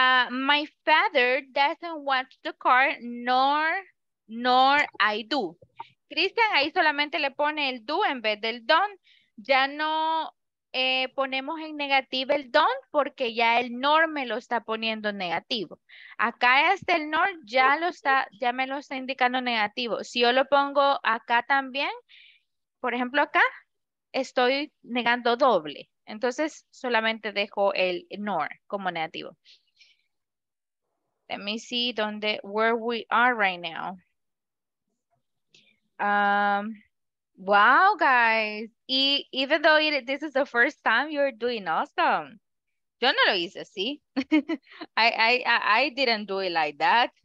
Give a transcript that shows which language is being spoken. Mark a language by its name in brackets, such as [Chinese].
[English] My father doesn't watch the car, nor I do. [Spanish] Christian, ahí solamente le pone el do en vez del don. Ya no ponemos en negativo el don porque ya el nor me lo está poniendo negativo. Acá este el nor ya me lo está indicando negativo. Si yo lo pongo acá también, por ejemplo acá, estoy negando doble. Entonces solamente dejo el nor como negativo. [English] Let me see where we are right now. Wow, guys. Even though this is the first time, you're doing awesome. [Spanish] Yo no lo hice, ¿sí? [English] I didn't do it like that.